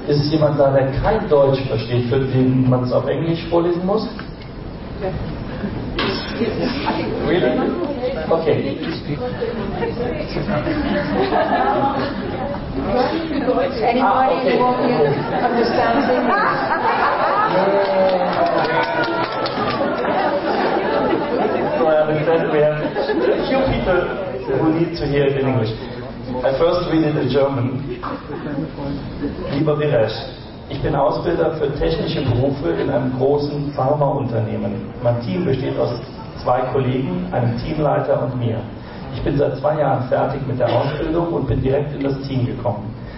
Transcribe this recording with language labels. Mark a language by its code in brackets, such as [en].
[de] Jemand da, der kein Deutsch versteht, für den man es auf Englisch vorlesen muss? [en] Really? Okay. So, I have a few people who need to hear it in English. I first read it in German. [de] Lieber Viresh, ich bin Ausbilder für technische Berufe in einem großen Pharmaunternehmen. Mein Team besteht aus zwei Kollegen, einem Teamleiter und mir. Ich bin seit 2 Jahren fertig mit der Ausbildung und bin direkt in das Team gekommen.